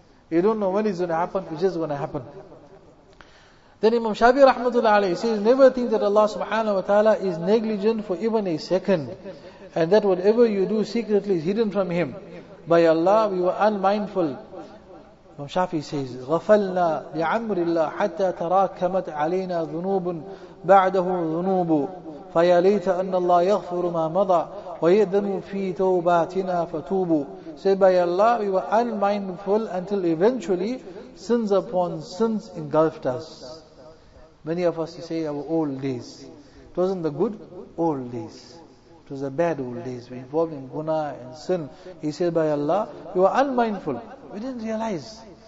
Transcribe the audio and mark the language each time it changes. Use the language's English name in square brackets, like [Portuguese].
[English] You don't know when it's going to happen, it's just going to happen. Then Imam Shafi rahmatullah alayhi says, never think that Allah subhanahu wa ta'ala is negligent for even a second. And that whatever you do secretly is hidden from Him. By Allah, we were unmindful. Imam Shafi says, [Arabic] غَفَلْنَا بِعَمْرِ اللَّهِ حَتَّى تَرَاكَمَتْ عَلَيْنَا ذُنُوبٌ بَعْدَهُ ذُنُوبُ فَيَلَيْتَ أَنَّ اللَّهَ يَغْفُرُ مَا مَضَى وَيَذَنُ فِي تَوْبَاتِنَا فَتُوبُ. [English] Say, by Allah, we were unmindful until eventually sins upon sins engulfed us. Many of us say our old days. It wasn't the good old days. It was the bad old days. We involved in guna and sin. He said, by Allah, we were unmindful. We didn't realize.